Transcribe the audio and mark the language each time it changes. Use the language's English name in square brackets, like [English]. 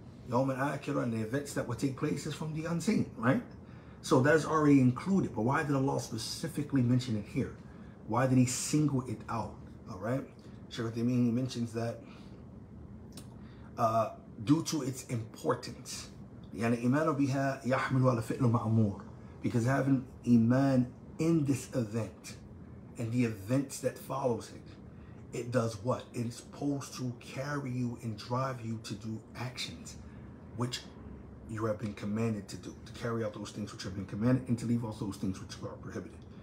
[English] Yawm al-Akira and the events that will take place is from the unseen, right? So that is already included, but why did Allah specifically mention it here? Why did He single it out? Alright? Shaykh Al-Amin mentions that due to its importance. [Arabic] يعني إيمان بها يحمل على فعل مأمور. [English] Because having Iman in this event and the events that follows it, it does what? It's supposed to carry you and drive you to do actions which you have been commanded to do, to carry out those things which have been commanded and to leave off those things which are prohibited.